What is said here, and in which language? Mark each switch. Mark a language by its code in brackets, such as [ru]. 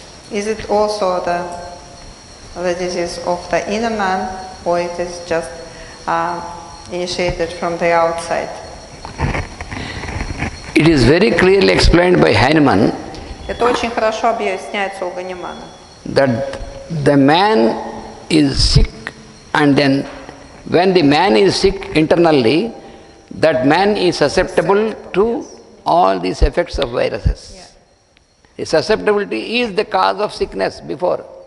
[en] Is it also the disease of the inner man, or it is just initiated from the outside? It is very clearly explained by Hahnemann. [ru] Это очень хорошо объясняется у Ганимана. [en] That the man is sick, and then when the man is sick internally. That man is susceptible to all these effects of viruses. Yeah. Susceptibility is the cause of sickness before.